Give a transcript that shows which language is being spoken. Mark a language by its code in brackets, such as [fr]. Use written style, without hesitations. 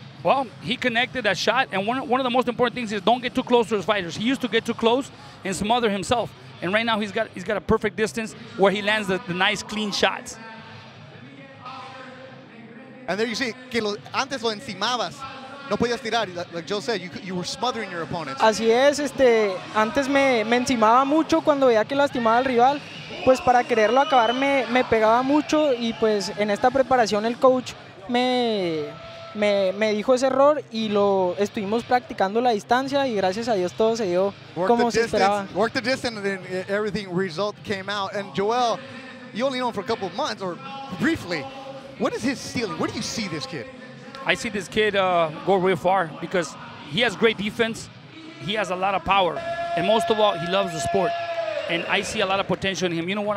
[en] Well, he connected that shot, and one of the most important things is don't get too close to his fighters. He used to get too close and smother himself, and right now he's got a perfect distance where he lands the nice, clean shots. And there you see, [es] que antes lo encimabas, no podías tirar. [en] Like Joe said, you were smothering your opponents. [es] Así es, antes me encimaba mucho cuando veía que lastimaba al rival, pues para quererlo acabar me pegaba mucho, y pues en esta preparación el coach me dijo ese error y lo estuvimos practicando la distancia y gracias a Dios todo se dio como se esperaba. [en] Worked the distance and then everything result came out. And Joel, you only know him for a couple of months or briefly. What is his ceiling? Where do you see this kid? I see this kid go real far because he has great defense. He has a lot of power. And most of all, he loves the sport. And I see a lot of potential in him. You know what?